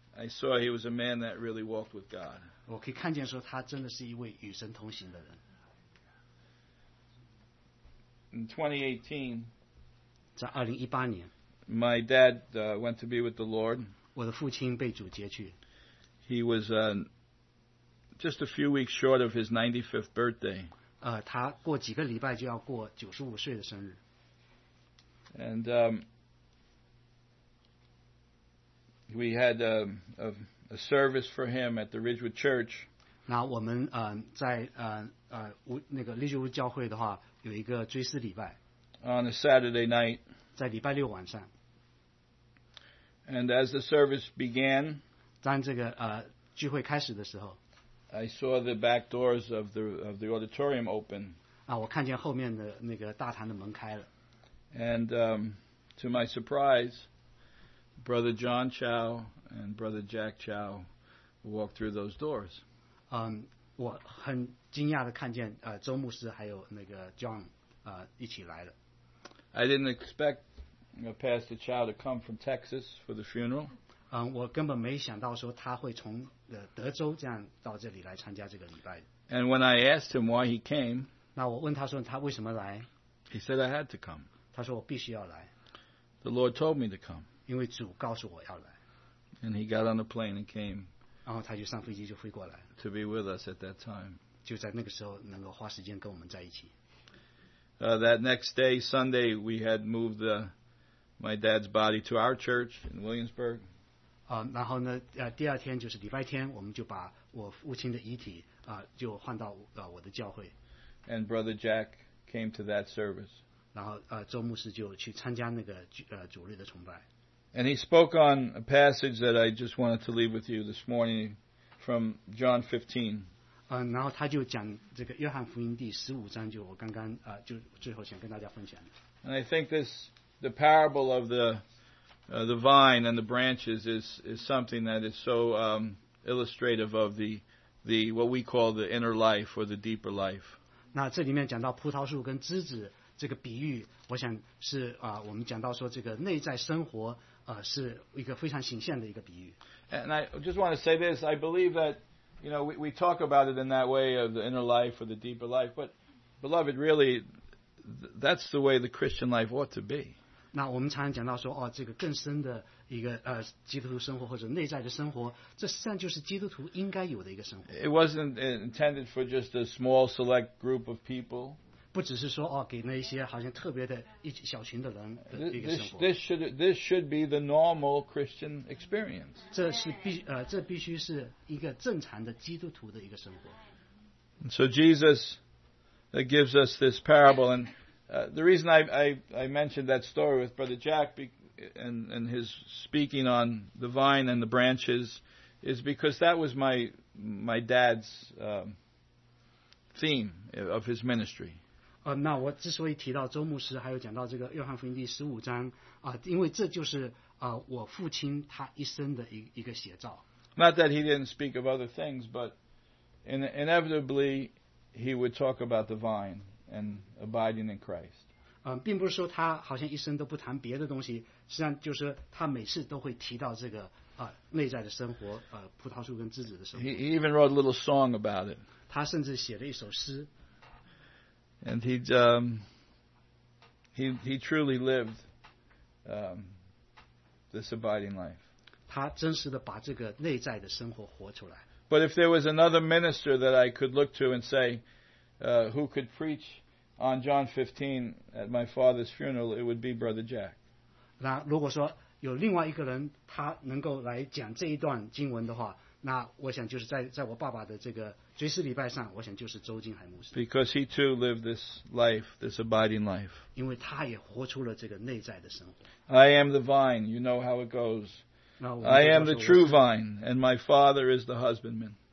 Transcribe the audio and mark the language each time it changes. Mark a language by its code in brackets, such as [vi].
[en] I saw he was a man that really walked with God. [zh] 我可以看见说他真的是一位与神同行的人。 [en] In 2018, [zh] 在2018年 [en] my dad went to be with the Lord. [zh] 我的父亲被主接去。 [en] He was just a few weeks short of his 95th birthday. [zh] 他过几个礼拜就要过95岁的生日。 [en] And we had a service for him at the Ridgewood Church. [zh] 那我们在那个利吉乌教会的话有一个追思礼拜。 [en] On a Saturday night. [zh] 在礼拜六晚上。 [en] And as the service began. [zh] 当这个聚会开始的时候。 [en] I saw the back doors of the auditorium open. [zh] 我看见后面的那个大堂的门开了。 [en] And to my surprise, Brother John Chow and Brother Jack Chow walked through those doors. [zh] 我很惊讶的看见周牧师还有那个 John 一起来了。 [en] I didn't expect Pastor Chow to come from Texas for the funeral. [zh] 我根本没想到说他会从德州这样到这里来参加这个礼拜。 [en] And when I asked him why he came, [zh] 那我问他说他为什么来？ [en] He said I had to come. [zh] 他说我必须要来。 [en] The Lord told me to come. [zh] 因为主告诉我要来。 [en] And he got on the plane and came. [zh] 然后他就上飞机就飞过来。 [en] To be with us at that time. [zh] 就在那个时候能够花时间跟我们在一起。 [en] That next day, Sunday, we had moved my dad's body to our church in Williamsburg. [zh] 然后呢，第二天就是礼拜天，我们就把我父亲的遗体就换到我的教会。 [en] And Brother Jack came to that service. [zh] 然后周牧师就去参加那个主日的崇拜。 [en] And he spoke on a passage that I just wanted to leave with you this morning from John 15. [zh] 然后他就讲这个约翰福音第十五章，就我刚刚就最后想跟大家分享的。 [en] And I think this, the parable of the vine and the branches is something that is so illustrative of the what we call the inner life or the deeper life. [zh] 那这里面讲到葡萄树跟枝子这个比喻，我想是我们讲到说这个内在生活是一个非常显现的一个比喻。 [en] And I just want to say this, I believe that, you know, we talk about it in that way of the inner life or the deeper life, but beloved, really, that's the way the Christian life ought to be. [zh] 那我们常常讲到说这个更深的一个基督徒生活或者内在的生活，这实际上就是基督徒应该有的一个生活。 [en] It wasn't intended for just a small select group of people. [zh] 不只是说给那一些好像特别的一小群的人的一个生活。 [en] This should be the normal Christian experience. [zh] 这必须是一个正常的基督徒的一个生活。 [en] So Jesus gives us this parable, and the reason I mentioned that story with Brother Jack and his speaking on the vine and the branches is because that was my dad's theme of his ministry. [zh] 那我之所以提到周牧师还有讲到这个约翰福音第十五章因为这就是我父亲他一生的一个写照。 [en] Not that he didn't speak of other things, but inevitably he would talk about the vine and abiding in Christ. [zh] 并不是说他好像一生都不谈别的东西，实际上就是他每次都会提到这个内在的生活葡萄树跟枝子的生活。 [en] He even wrote a little song about it. [zh] 他甚至写了一首诗。 [en] And he truly lived this abiding life. [zh] 他真实的把这个内在的生活活出来。 [en] But if there was another minister that I could look to and say, who could preach on John 15 at my father's funeral, it would be Brother Jack. [zh] 那如果说有另外一个人他能够来讲这一段经文的话，那我想就是在我爸爸的这个追思礼拜上，我想就是周金海牧师。 [en] Because he too lived this life, this abiding life. [zh] 因为他也活出了这个内在的生活。 [en] I am the vine, you know how it goes. I am the true vine, and my father is the husbandman.